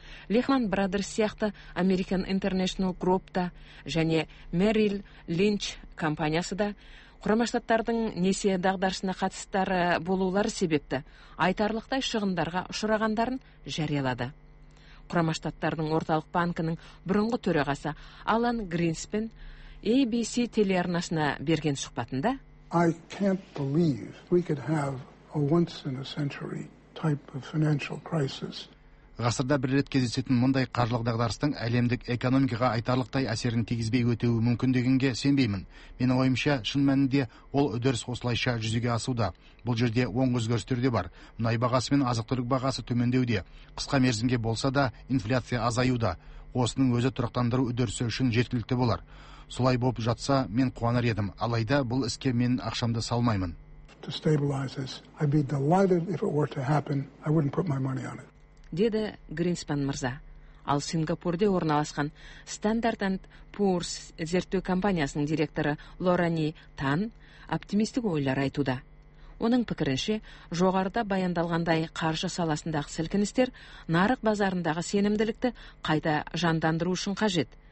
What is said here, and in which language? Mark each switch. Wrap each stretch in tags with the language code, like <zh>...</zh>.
<kk>Lehman Brothers сияқты American International Group та және Merrill Lynch компаниясы да Құрама Штаттардың несие дағдарысына қатыстары болулары себепті айтарлықтай шығындарға ұшырағандарын жариялады. Құрама Штаттардың орталық банкінің бұрынғы төрағасы Алан Гринспен ABC телеарнасына берген сұхбатында</kk> <en>I can't believe we could have a once in a century type of financial crisis.</en> <kk>Ғасырда бір рет кездесетін мұндай қаржылық дағдарыстың әлемдік экономикаға айтарлықтай әсерін тигізбей өтеуі мүмкін дегенге сенбеймін. Менің ойымша, шын мәнінде ол үдеріс осылайша жүзеге асуда. Бұл жерде оң өзгерістер де бар. Мұнай бағасы мен азық-түлік бағасы төмендеуде. Қысқа мерзімге болса да, инфляция азаюда. Осының өзі тұрақтандыру үдерісі үшін жеткілікті болар. Солай болып жатса, мен қуанар едім. Алайда бұл іске мен ақшамды салмаймын.</kk> <en>To stabilize this, I'd be delighted if it were to happen. I wouldn't put my money on it.</en> <kk>Деді Гринспан мырза. Ал Сингапурде орналасқан Standard & Poor's зерттеу компаниясының директоры Лорани Тан оптимистік ойлар айтуда. Оның пікірінше, жоғарыда баяндалғандай қаржы саласындағы сілкіністер нарық базарындағы сенімділікті қайта жандандыру үшін қажет.</kk>